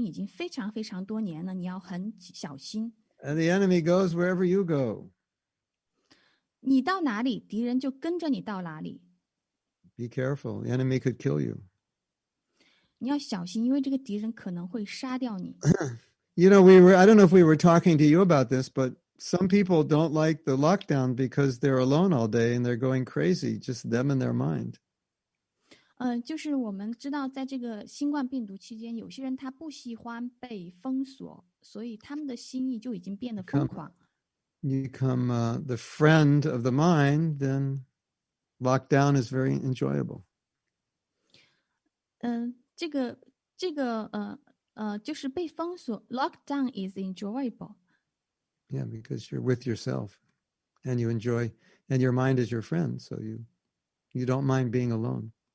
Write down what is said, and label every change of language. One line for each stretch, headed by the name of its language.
Chinese: 因为你的这个敌人在你心意当中已经非常非常多年了, 你要很小心。
English: And the enemy goes wherever you go.
Chinese: 你到哪里, 敌人就跟着你到哪里。
English: Be careful, the enemy could kill you.
Chinese: 你要小心, 因为这个敌人可能会杀掉你。
English: You know, I don't know if we were talking to you about this, but some people don't like the lockdown because they're alone all day and they're going crazy, just them and their mind.
Chinese: 就是我们知道在这个新冠病毒期间, 有些人他不喜欢被封锁。所以他们的心意就已经变得疯狂。
English: You become the friend of the mind, then lockdown is very enjoyable.
Chinese: 这个就是被封锁,
English: lockdown is enjoyable. Yeah, because you're with yourself and you enjoy, and your mind is your friend, so you don't mind being alone.